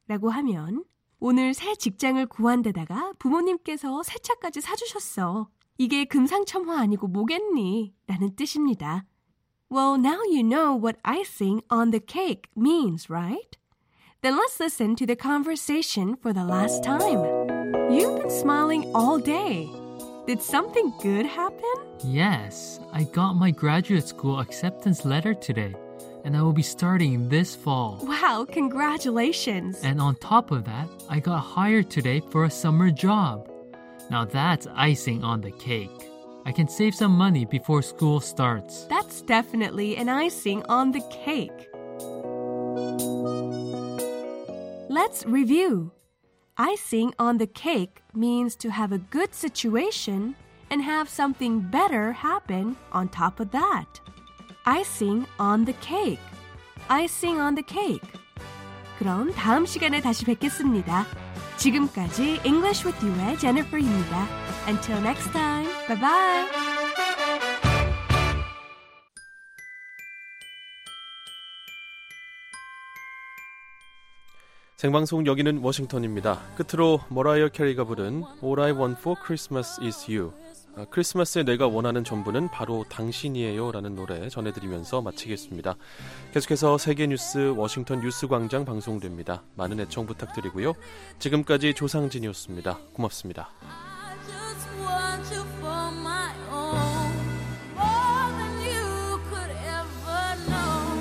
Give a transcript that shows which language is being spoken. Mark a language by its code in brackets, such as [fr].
[ko] 라고 하면, 오늘 새 직장을 구한 데다가 부모님께서 새 차까지 사주셨어. 이게 금상첨화 아니고 뭐겠니? 라는 뜻입니다. [en] Well, now you know what icing on the cake means, right? Then let's listen to the conversation for the last time. You've been smiling all day. Did something good happen? Yes, I got my graduate school acceptance letter today, and I will be starting this fall. Wow, congratulations! And on top of that, I got hired today for a summer job. Now that's icing on the cake. I can save some money before school starts. That's definitely an icing on the cake. Let's review. Icing on the cake means to have a good situation and have something better happen on top of that. Icing on the cake. Icing on the cake. [ko] 그럼 다음 시간에 다시 뵙겠습니다. 지금까지 [en] English with you의 Jennifer입니다. Until next time, bye-bye. [ko] Sengbangsong Yoginun Washington입니다. 끝으로 Mariah Carey가 부른 All I Want for Christmas is You. 크리스마스에 내가 원하는 전부는 바로 당신이에요 라는 노래 전해드리면서 마치겠습니다. 계속해서 세계뉴스 워싱턴 뉴스광장 방송됩니다. 많은 애청 부탁드리고요. 지금까지 조상진이었습니다. 고맙습니다. [en] I just want you for my own, more than you could ever know.